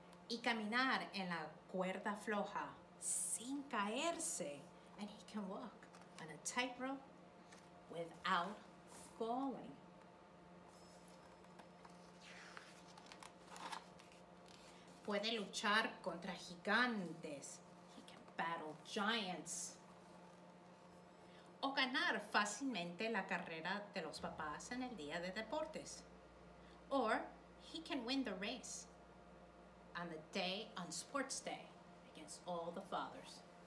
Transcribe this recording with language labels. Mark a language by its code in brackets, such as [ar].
[es] Y caminar en la cuerda floja sin caerse. [en] And he can walk on a tightrope without falling. [es] Puede luchar contra gigantes. [en] He can battle giants. [es] O ganar fácilmente la carrera de los papás en el día de deportes. [en] Or he can win the race on the day on sports day against all the fathers.